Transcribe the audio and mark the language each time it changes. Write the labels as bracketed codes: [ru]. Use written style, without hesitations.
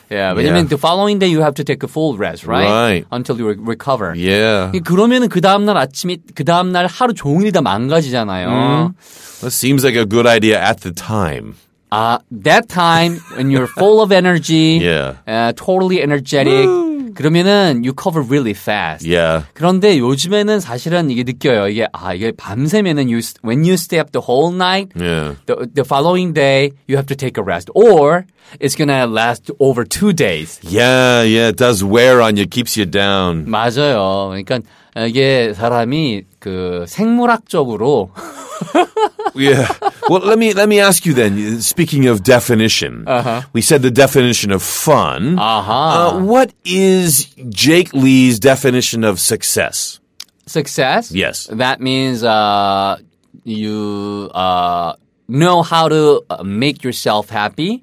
[en] Yeah, but yeah. I mean, the following day you have to take a full rest, right? Right. Until you recover. Yeah. [ko] 그러면은 그 다음날 아침이, 그 다음날 하루 종일 다 망가지잖아요. Mm. [en] That seems like a good idea at the time. That time when you're full of energy, yeah. Totally energetic. Woo. [ko] 그러면은 [en] you cover really fast. Yeah. [ko] 그런데 요즘에는 사실은 이게 느껴요. 이게 아 이게 밤새면은 [en] you when you stay up the whole night. Yeah. The following day you have to take a rest or it's gonna last over 2 days. Yeah, yeah. It does wear on you, keeps you down. [ko] 맞아요. 그러니까 이게 사람이 그 생물학적으로. [en] yeah. Well, let me ask you then, speaking of definition, uh-huh. we said the definition of fun. Uh-huh. What is Jake Lee's definition of success? Success? Yes. That means you know how to make yourself happy